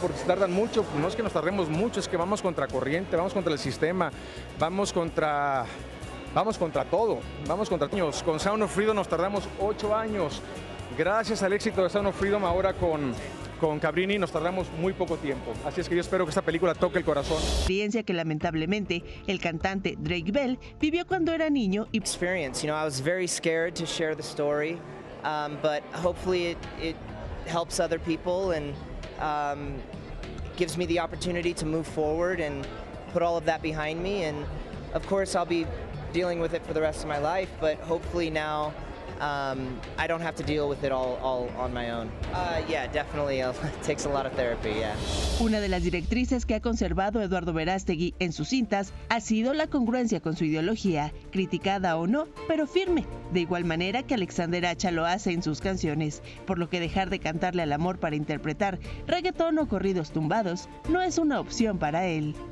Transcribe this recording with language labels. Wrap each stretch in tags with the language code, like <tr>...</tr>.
<es>Porque tardan mucho, no es que nos tardemos mucho, es que vamos contra corriente, vamos contra el sistema, vamos contra niños. Con Sound of Freedom nos tardamos 8 años. Gracias al éxito de Sound of Freedom, ahora con Cabrini nos tardamos muy poco tiempo. Así es que yo espero que esta película toque el corazón. Experiencia que lamentablemente el cantante Drake Bell vivió cuando era niño.</es> <en>Experience, you know, I was very scared to share the story, but hopefully it helps other people and gives me the opportunity to move forward and put all of that behind me. And of course I'll be dealing with it for the rest of my life, but hopefully now I don't have to deal with it all on my own. Yeah, definitely. It takes a lot of therapy, yeah.</en> <es>Una de las directrices que ha conservado Eduardo Verástegui en sus cintas ha sido la congruencia con su ideología, criticada o no, pero firme, de igual manera que Alexander Acha lo hace en sus canciones, por lo que dejar de cantarle al amor para interpretar reggaetón o corridos tumbados no es una opción para él.</es>